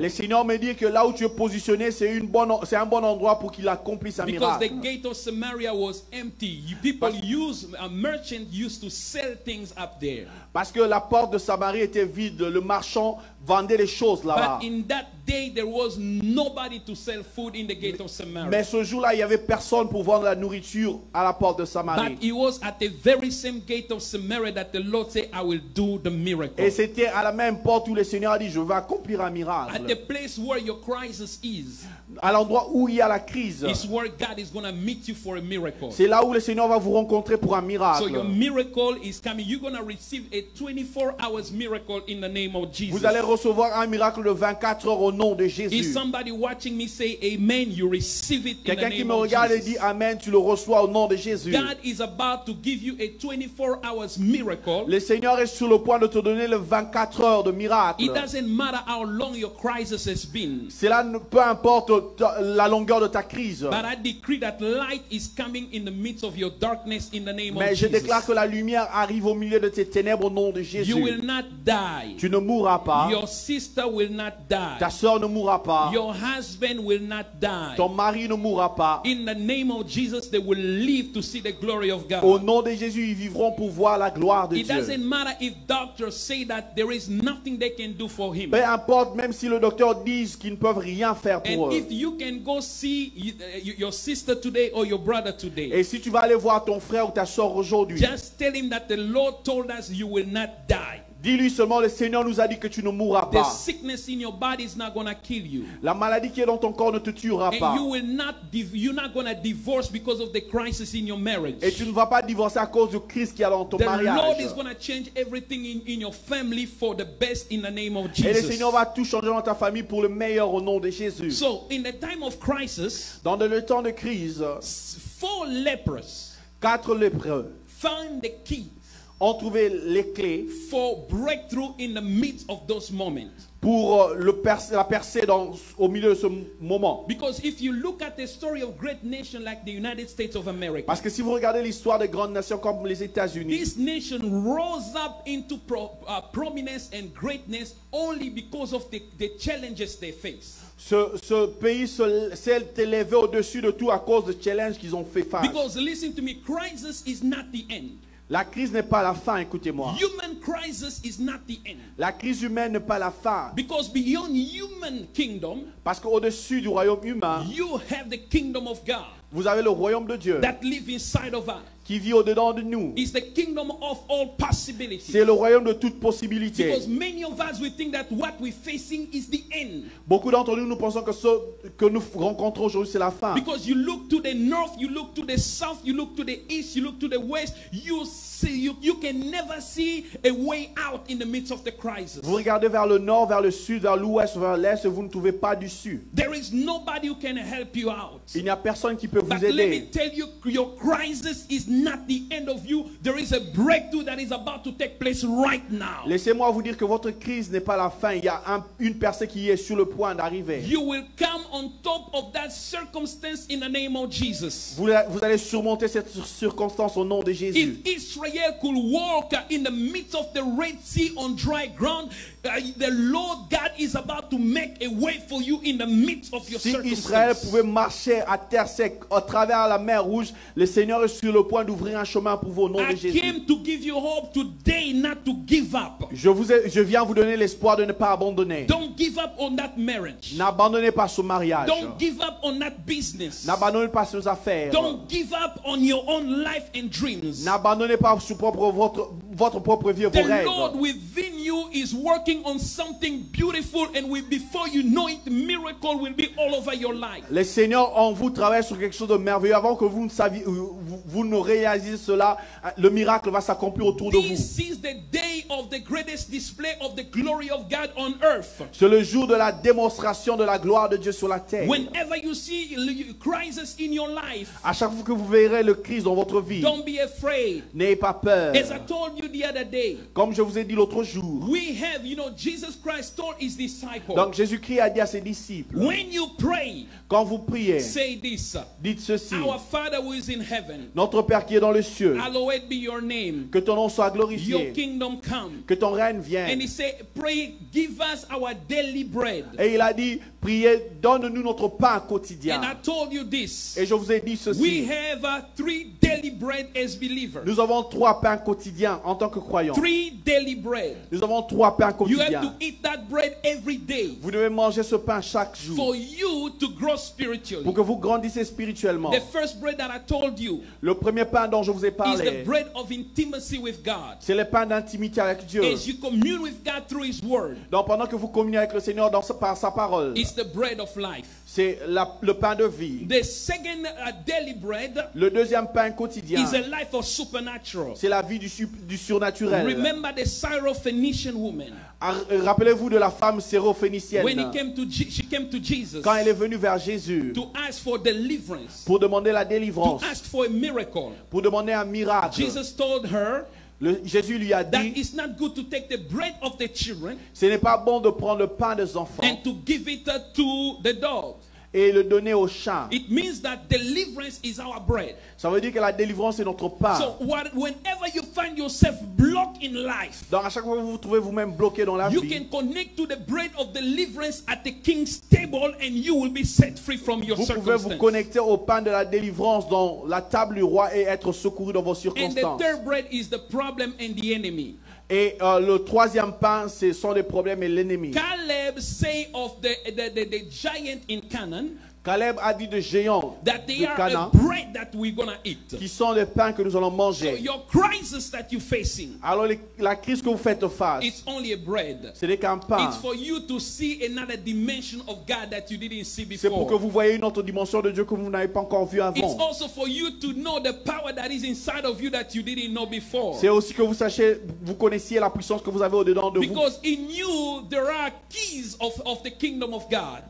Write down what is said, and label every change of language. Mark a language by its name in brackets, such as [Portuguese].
[French] Le Seigneur me dit que là où tu es positionné, c'est un bon endroit pour qu'il accomplisse un [English] because [French] miracle. [English] Because the gate of Samaria was empty. A merchant used to sell things up there. [French] Parce que la porte de Samarie était vide, le marchand vendait les choses là-bas. [English] But in that day, there was nobody to sell food in the gate of Samaria. [French] Mais ce jour-là, il y avait personne pour vendre la nourriture à la porte de Samarie. [English] But it was at the very same gate of Samaria that the Lord said, "I will do the miracle." [French] Et c'était à la même porte où le Seigneur a dit, "Je vais accomplir un miracle." [English] At the place where your crisis is. [French] À l'endroit où il y a la crise. [English] It's where God is going to meet you for a miracle. [French] C'est là où le Seigneur va vous rencontrer pour un miracle. [English] So your miracle is coming. You're going to receive a 24 hours miracle in the name of Jesus. [French] Vous allez recevoir un miracle de 24 heures au nom de Jésus. [English] Is somebody watching me say amen? You receive it. [French] Quelqu'un [English] in the name [French] qui me regarde [English] of Jesus. [French] Et dit amen, tu le reçois au nom de Jésus. [English] God is about to give you a 24 hours miracle. [French] Le Seigneur est sur le point de te donner le 24 heures de miracle. [English] It doesn't matter how long your crisis has been. [French] Cela ne peu importe la longueur de ta crise. [English] But I decree that light is coming in the midst of your darkness in the name of Jesus. [French] Mais je déclare que la lumière arrive au milieu de tes ténèbres au nom de Jésus. [English] You will not die. [French] Tu ne mourras pas. [English] Your sister will not die. [French] Ta sœur ne mourra pas. [English] Your husband will not die. [French] Ton mari ne mourra pas. [English] In the name of Jesus, they will live to see the glory of God. [French] Au nom de Jésus, ils vivront pour voir la gloire de Dieu. [English] It doesn't matter if doctors say that there is nothing they can do for him. [French] Peu importe même si le docteur dise qu'ils ne peuvent rien faire pour [English] and [French] eux. [English] If you can go see your sister today or your brother today. [French] Et si tu vas aller voir ton frère ou ta sœur aujourd'hui. [English] Just tell him that the Lord told us you will not die. [French] Dis-lui seulement, le Seigneur nous a dit que tu ne mourras pas. [English] The sickness in your body is not gonna kill you. [French] La maladie qui est dans ton corps ne te tuera [English] and [French] pas. [English] You will not you're not gonna divorce because of the crisis in your marriage. [French] Et tu ne vas pas divorcer à cause de crise qui est dans ton [English] the [French] mariage. [English] The Lord is gonna change everything in your family for the best in the name of Jesus. [French] Et le Seigneur va tout changer dans ta famille pour le meilleur au nom de Jésus. [English] So in the time of crisis, [French] dans le temps de crise, [English] four lepers, [French] quatre lépreux, [English] find the key. [French] Ont trouvé les clés [English] for breakthrough in the midst of those moments. [French] Pour la percée au milieu de ce moment. [English] Because if you look at the story of great nations like the United States of America. [French] Parce que si vous regardez l'histoire des grandes nations comme les États-Unis. [English] This nation rose up into prominence and greatness only because of the challenges they face. [French] Ce pays s'est élevé au-dessus de tout à cause des challenges qu'ils ont fait face. [English] Because listen to me, crisis is not the end. [French] La crise n'est pas la fin, écoutez-moi. [English] Human crisis is not the end. [French] La crise humaine n'est pas la fin. [English] Because beyond human kingdom, [French] parce qu'au-dessus du royaume humain, [English] you have the kingdom of God. [French] Vous avez le royaume de Dieu [English] that live inside of us. [French] Qui vit au-dedans de nous. [English] It's the kingdom of all possibilities. [French] C'est le royaume de toute possibilité. [English] Because many of us we think that what we're facing is the end. [French] Beaucoup d'entre nous pensons que ce que nous rencontrons aujourd'hui c'est la fin. [English] Because you look to the north, you look to the south, you look to the east, you look to the west, you see you can never see a way out in the midst of the crisis. [French] Vous regardez vers le nord, vers le sud, vers l'ouest, vers l'est, et vous ne trouvez pas d'issue. [English] There is nobody who can help you out. [French] Il n'y a personne qui peut [English] but [French] vous aider. [English] But let me tell you, your crisis is not the end of you. There is a breakthrough that is about to take place right now. [French] Laissez-moi vous dire que votre crise n'est pas la fin. Il y a une percée qui est sur le point d'arriver. [English] You will come on top of that circumstance in the name of Jesus. [French] Vous allez surmonter cette circonstance au nom de Jésus. [English] If Israel could walk in the midst of the Red Sea on dry ground, the Lord God is about to make a way for you in the midst of your circumstances. [French] Si Israël pouvait marcher à terre sec à travers la mer rouge, le Seigneur est sur le point d'ouvrir un chemin pour vous au nom [English] I [French] de Jésus. [English] Came to give you hope today, not to give up. [French] Je viens vous donner l'espoir de ne pas abandonner. [English] Don't give up on that marriage. [French] N'abandonnez pas ce mariage. [English] Don't give up on that business. [French] N'abandonnez pas ces affaires. [English] Don't give up on your own life and dreams. [French] N'abandonnez pas votre propre vie et vos [English] the [French] rêves. [English] The Lord within you is working on something beautiful and before you know it, the miracle will be all over your life. [French] Le Seigneur en vous travaille sur quelque chose de merveilleux avant que vous ne saviez vous ne réalisez cela, le miracle va s'accomplir autour [English] this [French] de vous. [English] This is the day of the greatest display of the glory of God on earth. [French] C'est le jour de la démonstration de la gloire de Dieu sur la terre. [English] Whenever you see crisis in your life, [French] à chaque fois que vous verrez le crise dans votre vie, [English] don't be afraid. [French] N'ayez pas peur. [English] As I told you the other day, [French] comme je vous ai dit l'autre jour, [English] we have, you know, Jesus Christ told his disciples. [French] Donc Jésus-Christ a dit à ses disciples. [English] When you pray, [French] quand vous priez, [English] say this. [French] Dites ceci. [English] Our Father who is in heaven. [French] Notre Père qui est dans les cieux. [English] Hallowed be your name. [French] Que ton nom soit glorifié. [English] Your kingdom come. [French] Que ton règne vienne. [English] And he said, pray, give us our daily bread. [French] Et il a dit, priez, donne-nous notre pain quotidien. [English] And I told you this. [French] Et je vous ai dit ceci. [English] We have three daily bread as believers. [French] Nous avons trois pains quotidiens en tant que croyants. [English] Three daily bread. [French] Nous avons trois pains quotidiens. [English] You have to eat that bread every day. [French] Vous devez manger ce pain chaque jour. [English] For you to grow spiritually. [French] Pour que vous grandissiez spirituellement. [English] The first bread that I told you. [French] Le premier pain dont je vous ai parlé, [English] is the bread of intimacy with God. [French] C'est le pain d'intimité avec Dieu. [English] As you commune with God through His word. [French] Donc pendant que vous communiez avec le Seigneur par sa parole. [English] It's the bread of life. [French] C'est le pain de vie. [English] The second daily bread. [French] Le deuxième pain quotidien. [English] Is a life of supernatural. [French] C'est la vie du surnaturel. [English] Remember the Syrophoenician woman. [French] Rappelez-vous de la femme syrophénicienne. [English] When he came to she came to Jesus. [French] Quand elle est venue vers Jésus. [English] To ask for deliverance. [French] Pour demander la délivrance. [English] To ask for a miracle. [French] Pour demander un miracle. [English] Jesus told her. [French] Jésus lui a dit, [English] that it's not good to take the bread of the children. [French] Ce n'est pas bon de prendre le pain des enfants. [English] And to give it to the dogs. [French] et le donner aux chats. [English] It means that deliverance is our bread. [French] Ça veut dire que la délivrance est notre pain. [English] So what, whenever you find yourself blocked in life, [French] donc à chaque fois que vous vous trouvez vous-même bloqué dans la [English] you [French] vie, [English] you can connect to the bread of deliverance at the king's table and you will be set free from your circumstances. [French] Vous pouvez vous connecter au pain de la délivrance dans la table du roi et être secouru dans vos circonstances. [English] And the third bread is the problem and the enemy. [French] Et le troisième pain, ce sont les problèmes et l'ennemi. [English] Caleb say of the giant in Canaan. [French] Caleb a dit de géants de Canaan, [English] bread that we're gonna eat. [French] Qui sont les pains que nous allons manger. [English] So your crisis that you're facing, [French] alors la crise que vous faites face, [English] it's only a bread. [French] Ce n'est qu'un pain. [English] It's for you to see another dimension of God that you didn't see before. [French] C'est pour que vous voyez une autre dimension de Dieu que vous n'avez pas encore vu avant. [English] It's also for you to know the power that is inside of you that you didn't know before. [French] C'est aussi que vous sachiez, vous connaissiez la puissance que vous avez au dedans de vous. [English] Because in you there are keys of the kingdom of God.